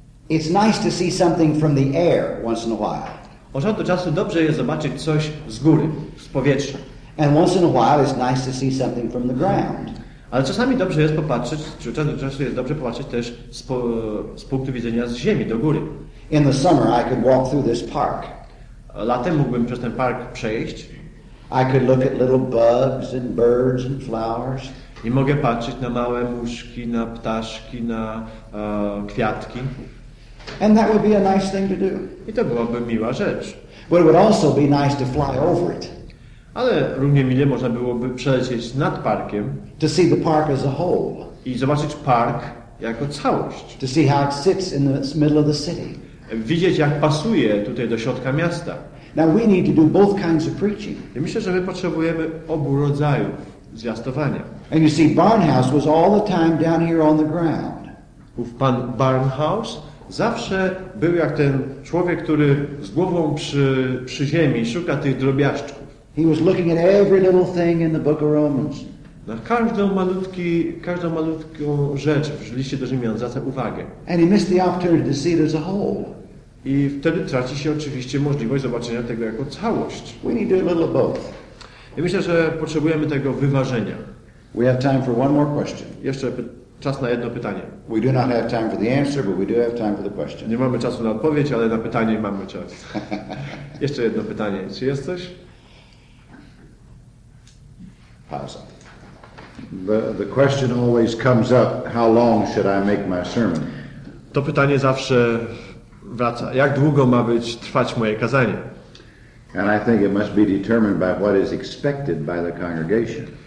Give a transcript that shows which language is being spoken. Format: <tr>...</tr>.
<en>It's nice to see something from the air once in a while.</en> <pl>Od czasu do czasu dobrze jest zobaczyć coś z góry, z powietrza.</pl> <en>And once in a while it's nice to see something from the ground.</en> <pl>Ale czasami dobrze jest popatrzeć, czy od czasu do czasu jest dobrze popatrzeć też z punktu widzenia z ziemi do góry.</pl> <en>In the summer I could walk through this park.</en> <pl>Latem mógłbym przez ten park przejść.</pl> <en>I could look at little bugs and birds and flowers.</en> <pl>I mogę patrzeć na małe muszki, na ptaszki, na kwiatki.</pl> <en>And that would be a nice thing to do.</en> <pl>I to byłaby miła rzecz.</pl> <en>But it would also be nice to fly over it.</en> <pl>Ale równie mile można byłoby przelecieć nad parkiem.</pl> <en>To see the park as a whole.</en> <pl>I zobaczyć park jako całość.</pl> <en>To see how it sits in the middle of the city.</en> <pl>Widzieć, jak pasuje tutaj do środka miasta.</pl> <en>Now we need to do both kinds of preaching.</en> <pl>I myślę, że my potrzebujemy obu rodzajów zwiastowania.</pl> <en>And you see, Barnhouse was all the time down here on the ground.</en> <pl>Pan Barnhouse zawsze był jak ten człowiek, który z głową przy ziemi szuka tych drobiazgów.</pl> <en>He was looking at every little thing in the Book of Romans.</en> <pl>Na każdą malutką rzecz w liście do Rzymian zwraca uwagę.</pl> <en>And he missed the opportunity to see it as a whole.</en> <pl>I wtedy traci się oczywiście możliwość zobaczenia tego jako całość.</pl> <en>We need to do a little both.</en> <pl>Ja myślę, że potrzebujemy tego wyważenia.</pl> <en>We have time for one more question.</en> <pl>Jeszcze czas na jedno pytanie.</pl> <en>We do not have time for the answer, but we do have time for the question.</en> <pl>Nie mamy czasu na odpowiedź, ale na pytanie mamy czas. Jeszcze jedno pytanie. Czy jest coś?</pl> <en>Pause. The question always comes up, how long should I make my sermon?</en> <pl>To pytanie zawsze wraca. Jak długo ma być trwać moje kazanie?</pl> <en>And I think it must be determined by what is expected by the congregation.</en>